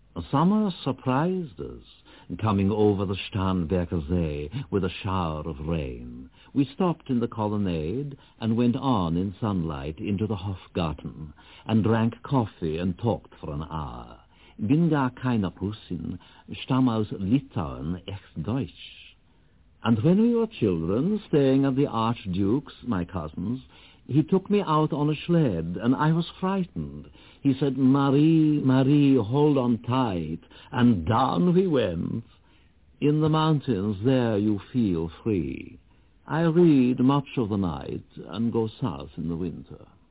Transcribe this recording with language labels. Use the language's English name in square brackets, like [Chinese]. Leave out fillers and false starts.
[English] Summer surprised us, coming over the Starnberger See with a shower of rain. We stopped in the colonnade and went on in sunlight into the Hofgarten and drank coffee and talked for an hour. [German] Bin gar keiner Prussin, stamm aus Litauen, echt Deutsch. [English] And when we were children, staying at the Archduke's, my cousin's, he took me out on a sled, and I was frightened. He said, Marie, Marie, hold on tight. And down we went. In the mountains, there you feel free. I read much of the night and go south in the winter.